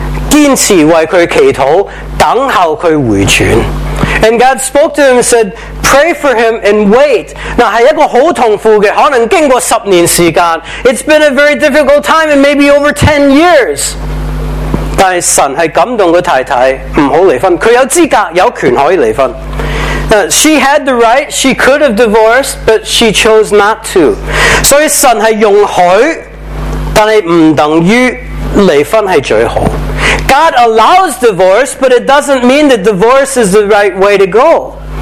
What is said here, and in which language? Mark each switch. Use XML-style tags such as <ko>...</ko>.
<zh>坚持为她祈祷，等候她回转。</zh> <en>And God spoke to him and said, pray for him and wait.</en> <zh>那是一个很痛苦的，可能经过十年时间。</zh> <en>It's been a very difficult time and maybe over 10 years.</en> <zh>但是神是感动的太太，不要离婚。她有资格，有权可以离婚。</zh> <en>She had the right, she could have divorced, but she chose not to.</en> <zh>所以神是容许，但是不等于离婚是最好。</zh> <en>God allows divorce, but it doesn't mean that divorce is the right way to go.</en>